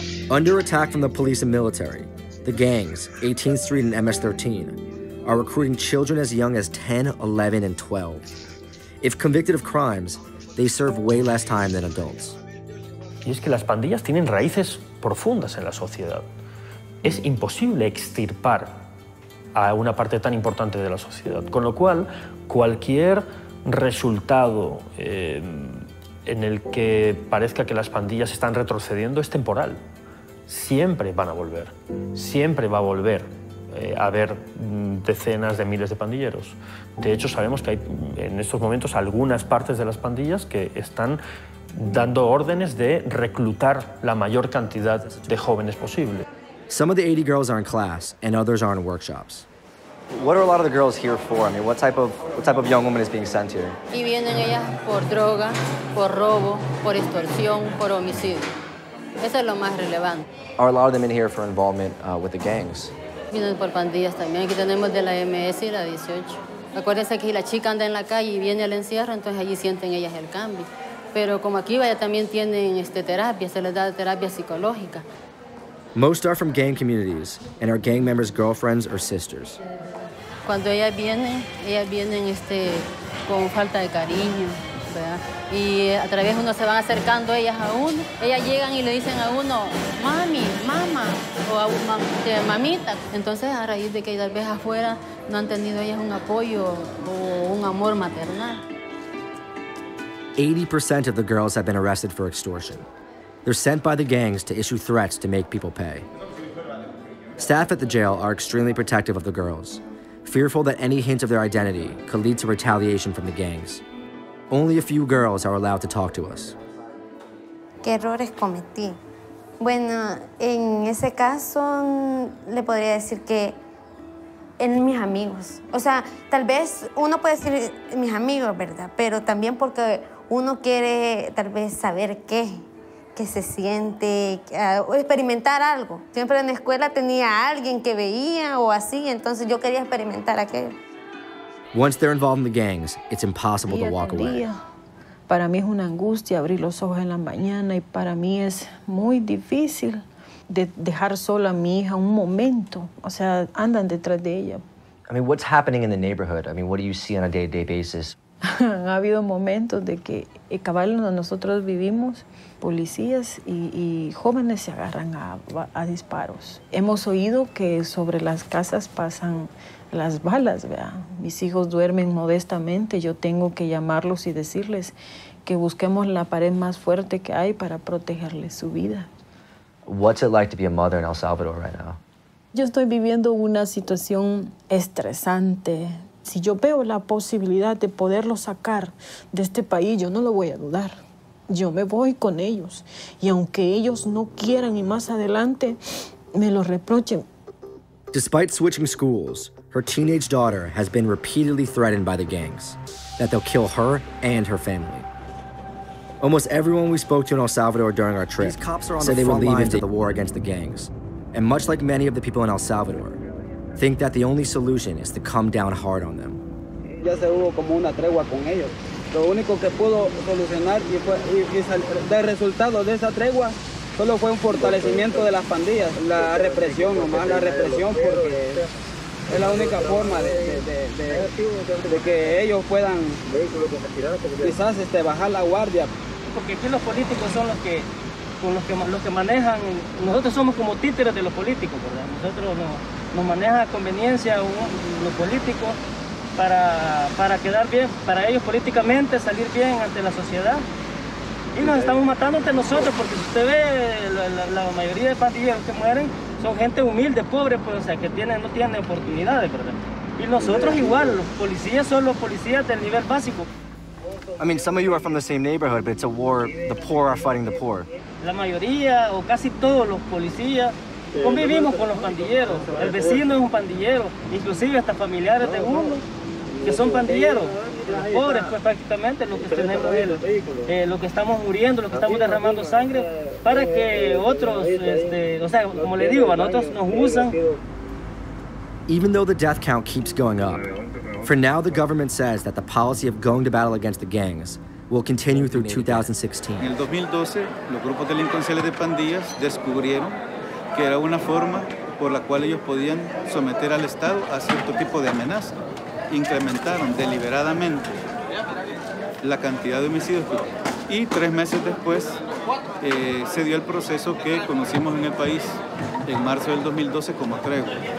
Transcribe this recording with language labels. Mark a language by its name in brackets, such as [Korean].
[English] Under attack from the police and military, the gangs, 18th Street and MS-13, are recruiting children as young as 10, 11, and 12. If convicted of crimes, they serve way less time than adults. [Spanish] Y es que las pandillas tienen raíces profundas en la sociedad. Es imposible extirpar a una parte tan importante de la sociedad. Con lo cual, cualquier resultado en el que parezca que las pandillas están retrocediendo es temporal. Siempre van a volver. Siempre va a volver a haber decenas de miles de pandilleros. De hecho, sabemos que hay en estos momentos algunas partes de las pandillas que están dando órdenes de reclutar la mayor cantidad de jóvenes posible. [English] Some of the 80 girls are in class and others are in workshops. What are a lot of the girls here for? I mean, what type of young woman is being sent here? [Spanish] Y vienen ellas por droga, por robo, por extorsión, por homicidio. Eso es lo más relevante. [English] Are a lot of them in here for involvement with the gangs? [Spanish] Vienen por pandillas también. Aquí tenemos de la MS y la 18. Acuérdense que si la chica anda en la calle y viene al encierro, entonces allí sienten ellas el cambio. Pero como aquí vaya, también tienen terapia, se les da terapia psicológica. [English] Most are from gang communities and are gang members' girlfriends or sisters. [Spanish] Cuando ellas vienen con falta de cariño, ¿verdad? Y a través uno se van acercando ellas a uno. Ellas llegan y le dicen a uno, mami, mama, o a mamita. Entonces, a raíz de que tal vez afuera no han tenido ellas un apoyo o un amor maternal. [English] 80% of the girls have been arrested for extortion. They're sent by the gangs to issue threats to make people pay. Staff at the jail are extremely protective of the girls, fearful that any hint of their identity could lead to retaliation from the gangs. Only a few girls are allowed to talk to us. [Spanish] ¿Qué errores cometí? Bueno, en ese caso, le podría decir que en mis amigos. O sea, tal vez uno puede decir mis amigos, ¿verdad? Pero también porque uno quiere tal vez saber qué. Que se siente, experimentar algo. Siempre en la escuela tenía alguien que veía o así, entonces yo quería experimentar aquello. [English] Once they're involved in the gangs, it's impossible to walk away. [Spanish] Para mí es una angustia abrir los ojos en la mañana y para mí es muy difícil de dejar sola a mi hija un momento. O sea, andan detrás de ella. [English] I mean, what's happening in the neighborhood? I mean, what do you see on a day-to-day basis? [Spanish] Han habido momentos de que el cabal donde nosotros vivimos, policías y jóvenes se agarran a disparos. Hemos oído que sobre las casas pasan las balas, ¿verdad? Mis hijos duermen modestamente, yo tengo que llamarlos y decirles que busquemos la pared más fuerte que hay para protegerles su vida. [English] What's it like to be a mother in El Salvador right now? [Spanish] Yo estoy viviendo una situación estresante. Si yo veo la posibilidad de poderlos sacar de este país, yo no lo voy a dudar. Yo me voy con ellos. Y aunque ellos no quieran y más adelante me lo reprochen. [English] Despite switching schools, her teenage daughter has been repeatedly threatened by the gangs that they'll kill her and her family. Almost everyone we spoke to in El Salvador during our trip said they would leave into the war against the gangs. And much like many of the people in El Salvador, think that the only solution is to come down hard on them. [Spanish] Ya se hubo como una tregua con ellos. Lo único que pudo solucionar y fue de resultado de esa tregua solo fue un fortalecimiento de las pandillas, la represión nomás, la represión porque es la única forma de que ellos puedan quizás bajar la guardia. Porque aquí los políticos son los que manejan. Nosotros somos como títeres de los políticos, ¿verdad? Nosotros nos maneja a conveniencia los políticos para quedar bien, para ellos políticamente salir bien ante la sociedad. Y nos estamos matando ante nosotros, porque si usted ve, la mayoría de pandilleros que mueren son gente humilde, pobre, pues, o sea, que no tienen oportunidades, ¿verdad? Y nosotros igual, los policías son los policías del nivel básico. [English] I mean, some of you are from the same neighborhood, but it's a war, the poor are fighting the poor. [Spanish] La mayoría, o casi todos los policías, convivimos con los pandilleros. El vecino es un pandillero, inclusive hasta familiares de uno, que son pandilleros. Los pobres, pues prácticamente, los que tenemos, lo que estamos muriendo, lo que estamos derramando sangre, para que otros, o sea, como le digo, a nosotros nos usan. [English] Even though the death count keeps going up, for now, the government says that the policy of going to battle against the gangs will continue through 2016. [Spanish] En el 2012, los grupos delincuenciales de pandillas descubrieron que era una forma por la cual ellos podían someter al Estado a cierto tipo de amenaza. Incrementaron deliberadamente la cantidad de homicidios. Y tres meses después, se dio el proceso que conocimos en el país en marzo del 2012 como tregua.